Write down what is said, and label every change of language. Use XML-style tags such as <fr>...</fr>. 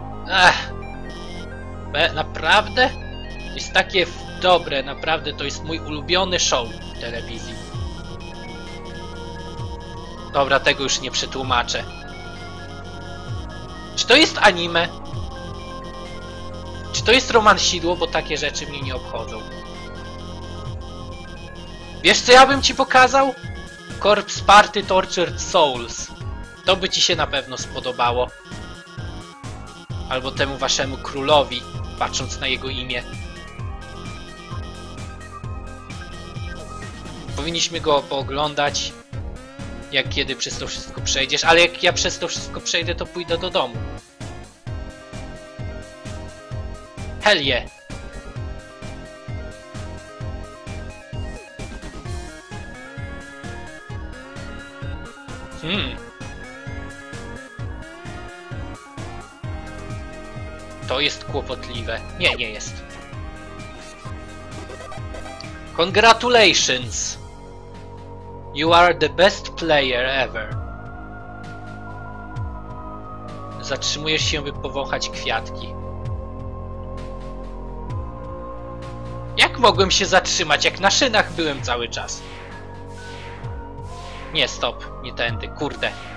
<pl>Ech. Naprawdę? Jest takie dobre, naprawdę to jest mój ulubiony show w telewizji. Dobra, tego już nie przetłumaczę. Czy to jest anime? Czy to jest roman Sidło, bo takie rzeczy mnie nie obchodzą. Wiesz, co ja bym ci pokazał? Corpse Party Tortured Souls. To by ci się na pewno spodobało. Albo temu waszemu królowi, patrząc na jego imię. Powinniśmy go pooglądać, jak kiedy przez to wszystko przejdziesz. Ale jak ja przez to wszystko przejdę, to pójdę do domu.</pl> <en>Hell yeah.</en> <pl>To jest kłopotliwe. Nie, nie jest.</pl> <en>Congratulations! You are the best player ever.</en> <pl>Zatrzymujesz się, by powąchać kwiatki. Jak mogłem się zatrzymać, jak na szynach byłem cały czas? Nie, stop. Nie tędy. Kurde.</pl>